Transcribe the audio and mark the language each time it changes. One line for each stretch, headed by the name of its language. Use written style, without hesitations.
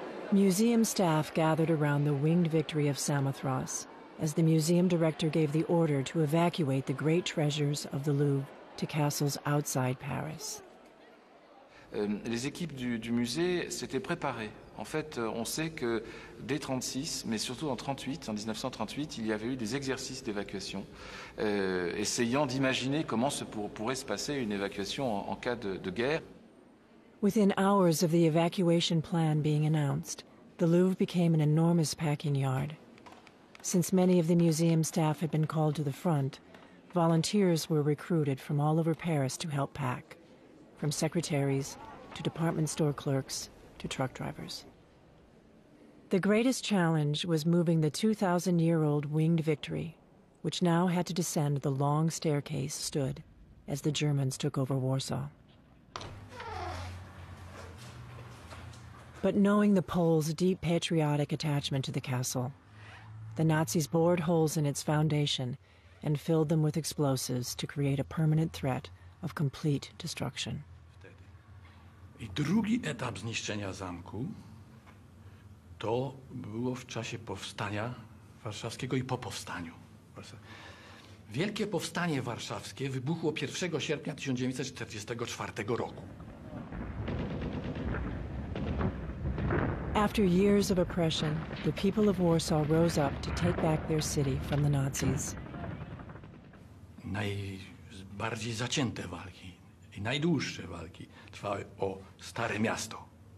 English: Museum staff gathered around the winged victory of Samothrace as the museum director gave the order to evacuate the great treasures of the Louvre to castles outside Paris.
French: Les équipes du musée s'étaient préparées. En fait, on sait que dès 36, mais surtout en 1938, il y avait eu des exercices d'évacuation, essayant d'imaginer comment pourrait se passer une évacuation en cas de guerre.
English: Within hours of the evacuation plan being announced, the Louvre became an enormous packing yard. Since many of the museum staff had been called to the front, volunteers were recruited from all over Paris to help pack, from secretaries to department store clerks to truck drivers. The greatest challenge was moving the 2,000-year-old Winged Victory, which now had to descend the long staircase stood as the Germans took over Warsaw. But knowing the Poles' deep patriotic attachment to the castle, the Nazis bored holes in its foundation and filled them with explosives to create a permanent threat of complete destruction.
Polish: I drugi etap zniszczenia zamku to było w czasie powstania warszawskiego i po powstaniu. Wielkie powstanie warszawskie wybuchło 1 sierpnia 1944 roku.
English: After years of oppression, the people of Warsaw rose up to take back their city from the Nazis.
Polish: Najbardziej zacięte walki i najdłuższe walki trwały o Stare Miasto.